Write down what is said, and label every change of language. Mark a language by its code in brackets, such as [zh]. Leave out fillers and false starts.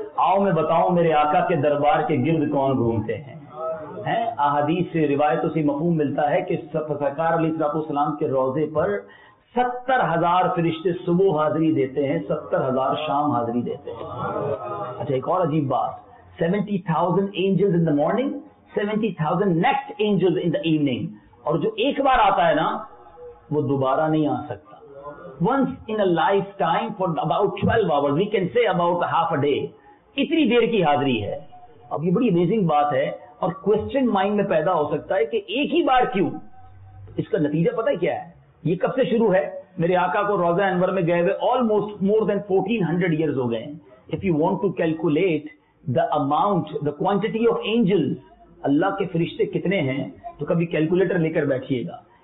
[ur] آؤ میں بتاؤں میرے آقا کے دربار کے گرد کون گھومتے ہیں؟ احادیث سے روایتوں سے مفہوم ملتا ہے کہ سرکار علیہ السلام کے روضے پر 70,000 فرشتے صبح حاضری دیتے ہیں, 70,000 شام حاضری دیتے ہیں. اچھا ایک اور عجیب بات, [en] 70,000 angels in the morning, 70,000 next angels in the evening. [ur] اور جو ایک بار آتا ہے نا وہ دوبارہ نہیں آ سکتا. [en] Once in a lifetime for about 12 hours, we can say about half a day. [ur] اتنی دیر کی حاضری ہے. اب یہ بڑی امیزنگ بات ہے اور question mind میں پیدا ہو سکتا ہے کہ ایک ہی بار کیوں؟ اس کا نتیجہ پتہ کیا ہے؟ یہ کب سے شروع ہے؟ میرے آقا کو روضہ انور میں گئے ہوئے [en] almost more than 1400 years [ur] ہو گئے ہیں. [en] If you want to calculate the amount, the quantity of angels, [ur] اللہ کے فرشتے کتنے ہیں, تو کبھی کیلکولیٹر لے کر بیٹھیے گا.